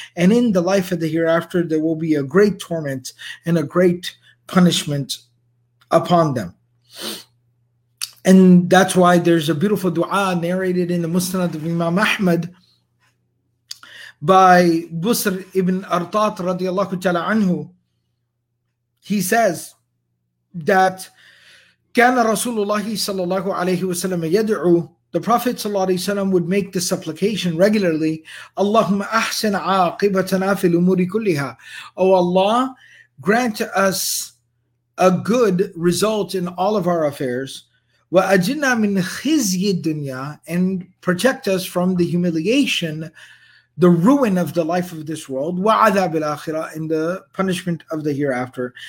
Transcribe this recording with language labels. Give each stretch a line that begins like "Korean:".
English: And in the life of the hereafter, there will be a great torment and a great punishment upon them. And that's why there's a beautiful dua narrated in the Musnad of Imam Ahmad by Busr ibn Artat radiallahu ta'ala anhu. He says that
Arabic: كان رسول الله صلى الله عليه وسلم يدعو.
English: The Prophet صلى الله عليه وسلم would make this supplication regularly.
Arabic: اللهم أحسن عاقبتنا في الأمور كلها.
English: Oh Allah, grant us a good result in all of our affairs.
Arabic: وَأَجِنَّا مِنْ خِزْيِ الدُّنْيَا,
English: and protect us from the humiliation, the ruin of the life of this world.
Arabic: وَعَذَابِ الْآخِرَةِ,
English: in the punishment of the hereafter.